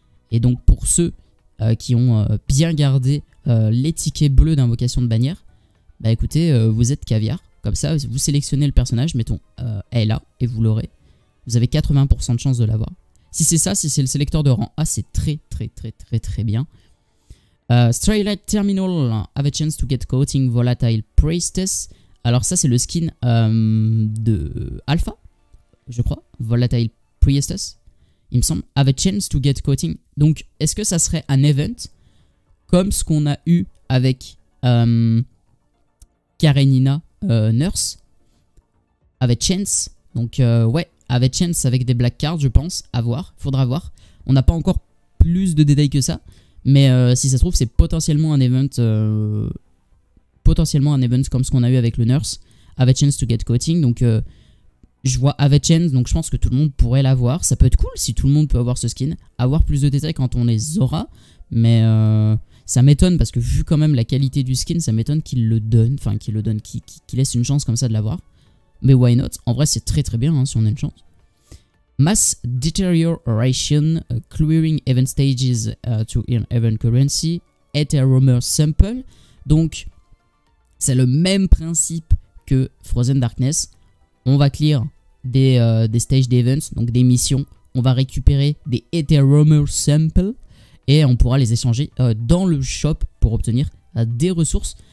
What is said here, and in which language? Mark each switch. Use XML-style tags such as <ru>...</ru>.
<fr>Et donc, pour ceux qui ont bien gardé les tickets bleus d'invocation de bannière, bah écoutez, vous êtes caviar. Comme ça, vous sélectionnez le personnage, mettons, elle est là, et vous l'aurez. Vous avez 80% de chance de l'avoir. Si c'est ça, si c'est le sélecteur de rang A, c'est très, très, très, très, très bien.</fr> <en>Straylight Terminal, have a chance to get coating volatile priestess.</en> <fr>Alors ça, c'est le skin de Alpha, je crois.</fr> <en>Volatile priestess.</en> <fr>Il me semble,</fr> <en>have a chance to get coating.</en> <fr>Donc, est-ce que ça serait un event comme ce qu'on a eu avec Karenina Nurse?</fr> <en>Have a chance.</en> <fr>Donc, ouais,</fr> <en>have a chance</en> <fr>avec des black cards, je pense. À voir, faudra voir. On n'a pas encore plus de détails que ça. Mais si ça se trouve, c'est potentiellement un event. Potentiellement un event comme ce qu'on a eu avec le Nurse.</fr> <en>Have a chance to get coating.</en> <fr>Donc, je vois Avechen, donc je pense que tout le monde pourrait l'avoir. Ça peut être cool si tout le monde peut avoir ce skin. Avoir plus de détails quand on les aura. Mais ça m'étonne parce que vu quand même la qualité du skin, ça m'étonne qu'il le donne. Enfin, qu'il le donne, qu'il laisse une chance comme ça de l'avoir. Mais</fr> <en>why not?</en> <fr>En vrai, c'est très très bien hein, si on a une chance.</fr> <en>Mass Deterioration, Clearing Event Stages to Earn Event Currency, Aetherrumor Sample.</en> <fr>Donc, c'est le même principe que Frozen Darkness. On va clear des stage d'events, donc des missions. On va récupérer des Aetherrumor Sample et on pourra les échanger dans le shop pour obtenir des ressources.</fr>